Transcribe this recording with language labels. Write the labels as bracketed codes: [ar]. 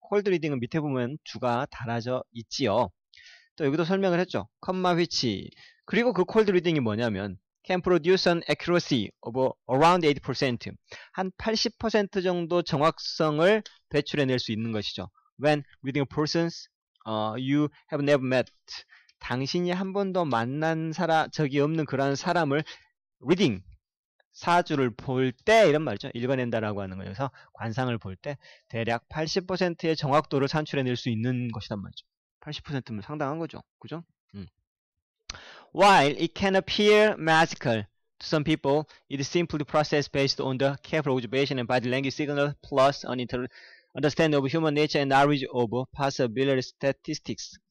[ko] cold reading은 밑에 보면 주가 달아져 있지요. 또 여기도 설명을 했죠. comma which. 그리고 그 cold reading이 뭐냐면 [en] can produce an accuracy of around 8%. [ko] 한80% 정도 정확성을 배출해낼 수 있는 것이죠. [en] when reading a person's you have never met. [ko] 당신이 한 번도 만난 사람, 적이 없는 그런 사람을 reading, 사주를 볼 때, 이런 말이죠. 읽어낸다라고 하는 거예요. 그래서 관상을 볼때 대략 80%의 정확도를 산출해낼 수 있는 것이란 말이죠. 80%면 상당한 거죠. 그죠? [en] While it can appear magical to some people, it is simply processed based on the careful observation and body language signal plus an understand of human nature and knowledge of possibility statistics.